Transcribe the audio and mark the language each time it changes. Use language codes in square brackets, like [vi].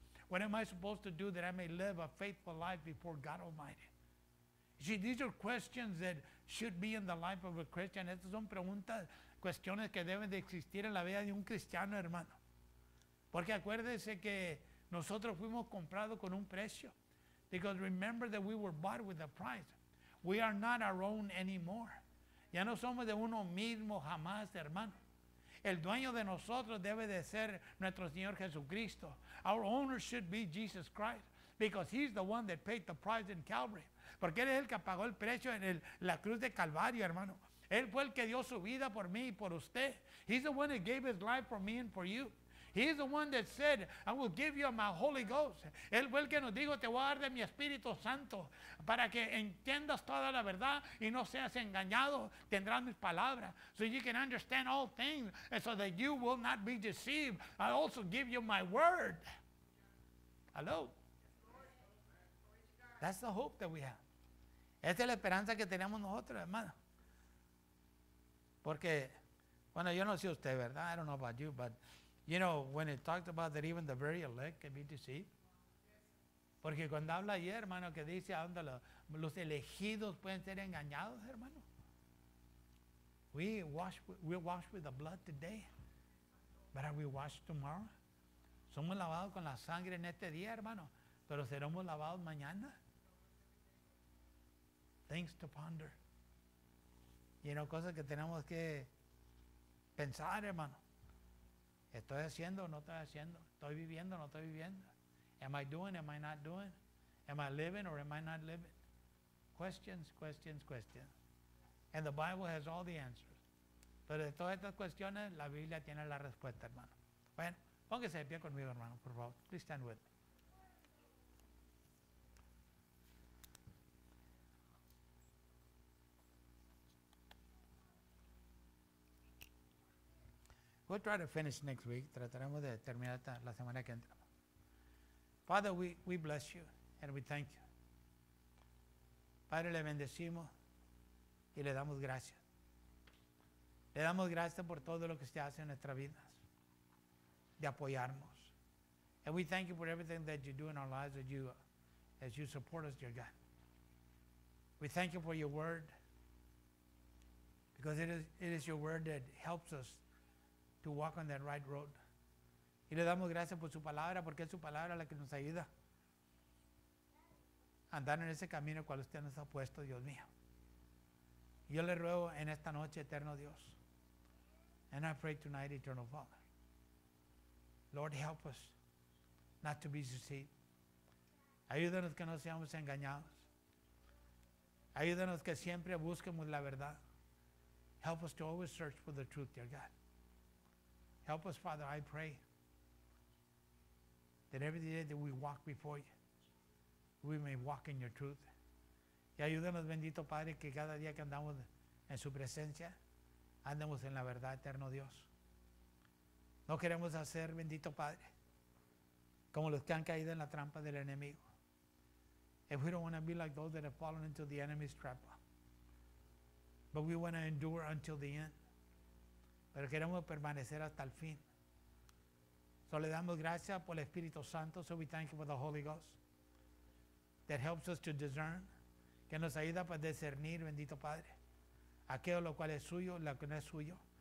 [en] What am I supposed to do that I may live a faithful life before God Almighty? See, these are questions that should be in the life of a Christian. [es] Estas son preguntas, cuestiones que deben de existir en la vida de un cristiano, hermano. Porque acuérdese que nosotros fuimos comprados con un precio. [en] Because remember that we were bought with a price. We are not our own anymore. [es] Ya no somos de uno mismo jamás, hermano. El dueño de nosotros debe de ser nuestro Señor Jesucristo. [en] Our owner should be Jesus Christ. Because he's the one that paid the price in Calvary. [es] Porque él es el que pagó el precio en la cruz de Calvario, hermano. Él fue el que dio su vida por mí y por usted. [en] He's the one that gave his life for me and for you. He's the one that said, I will give you my Holy Ghost. [es] Él fue el que nos dijo, te voy a dar de mi Espíritu Santo para que entiendas toda la verdad y no seas engañado. Tendrás mis palabras. [en] So you can understand all things and so that you will not be deceived. I also give you my word. Hello. That's the hope that we have. [es] Esa es la esperanza que tenemos nosotros, hermano. Porque, bueno, yo no sé usted, ¿verdad? [en] I don't know about you, but you know, when it talked about that even the very elect can be deceived. [es] Porque cuando habla ayer, hermano, que dice, ¿dónde los elegidos pueden ser engañados, hermano? [en] We wash with the blood today. But are we washed tomorrow? [es] Somos lavados con la sangre en este día, hermano. Pero seremos lavados mañana. [en] Things to ponder. [es] Y no cosas que tenemos que pensar, hermano. ¿Estoy haciendo o no estoy haciendo? ¿Estoy viviendo o no estoy viviendo? [en] Am I doing, am I not doing? Am I living or am I not living? Questions, questions, questions. And the Bible has all the answers. [es] Pero de todas estas cuestiones, la Biblia tiene la respuesta, hermano. Bueno, póngase de pie conmigo, hermano, por favor. [en] Please stand with me. We'll try to finish next week. [es] Trataremos de terminar la semana que entra. [en] Father, we bless you and we thank you. [es] Padre, le bendecimos y le damos gracias. Le damos gracias por todo lo que se hace en nuestras vidas, de apoyarnos. [en] And we thank you for everything that you do in our lives as you support us, dear God. We thank you for your word because it is your word that helps us to walk on that right road. [es] Y le damos gracias por su palabra, porque es su palabra la que nos ayuda a andar en ese camino cual usted nos ha puesto, Dios mío. Yo le ruego en esta noche, eterno Dios, [en] and I pray tonight, eternal Father, Lord, help us not to be deceived. [es] Ayúdanos que no seamos engañados. Ayúdanos que siempre busquemos la verdad. [en] Help us to always search for the truth, dear God. Help us, Father, I pray that every day that we walk before you, we may walk in your truth. [es] Y ayúdanos, bendito Padre, que cada día que andamos en su presencia, andemos en la verdad, eterno Dios. No queremos hacer, bendito Padre, como los que han caído en la trampa del enemigo. [en] If we don't want to be like those that have fallen into the enemy's trap, but we want to endure until the end. [es] Pero queremos permanecer hasta el fin. So le damos gracias por el Espíritu Santo. [en] So we thank you for the Holy Ghost. That helps us to discern. [es] Que nos ayuda para discernir, bendito Padre. Aquello lo cual es suyo, lo que no es suyo.